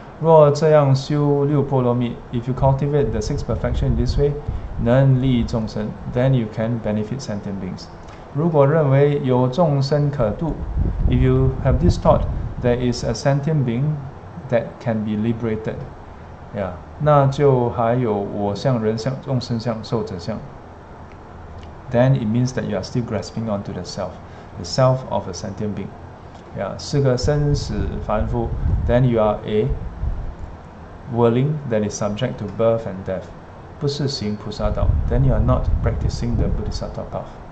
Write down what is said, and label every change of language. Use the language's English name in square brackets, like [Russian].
[English] 若这样修六波罗蜜 if you cultivate the six perfection in this way, 能利益众生 then you can benefit sentient beings. 如果认为有众生可度 if you have this thought, there is a sentient being that can be liberated, yeah. [Chinese] 那就还有我相、人相、众生相、寿者相。 [English] Then it means that you are still grasping onto the self of a sentient being. Yeah, 是个生死凡夫 then you are a whirling that is subject to birth and death. 不是行菩萨道 then you are not practicing the Bodhisattva path.